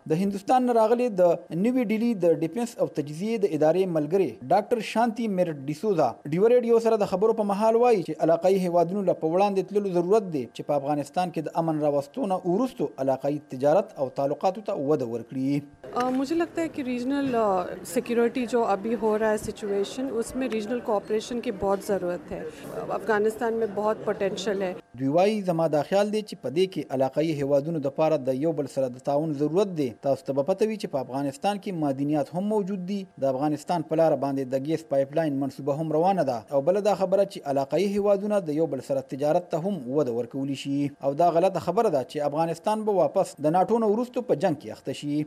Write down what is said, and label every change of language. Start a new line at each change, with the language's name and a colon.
Pashto: د هندوستان نه راغلي د نوي ډیلی د ډیفنس او تجزیې د ادارې ملګری ډاکټر شانتی میر ډیسوزا ډیو ریډیو سره د خبرو په مهال وایي چې علاقائي هیوادونو له په وړاندې تللو ضرورت دی چې په افغانستان کې د امن راوستو نه وروسته علاقائي تجارت او تعلقاتو ته وده ورکړي.
Urdu: مجھے لگتا ہے کہ ریجنل سیکیورٹی جو ابھی ہو رہا ہے سچویشن، اس میں ریجنل کوآپریشن کی بہت ضرورت ہے، افغانستان میں بہت پوٹینشیل ہے.
Pashto: دیوائی زما دا خیال دے چې پدې کې علاقائی هیوادونو د پاره د یو بل سره د تعاون ضرورت دی. تاسو ته پته وی چې په افغانستان کې مادینیات هم موجود دي، د افغانستان په لار باندې د گیس پایپ لاین منصوبه هم روانه ده، او بل دا خبره چې علاقائی هیوادونه د یو بل سره تجارت ته هم وده ورکولی شي، او دا غلطه خبره ده چې افغانستان به واپس د ناتو نه وروسته په جنگ کې اخته شي.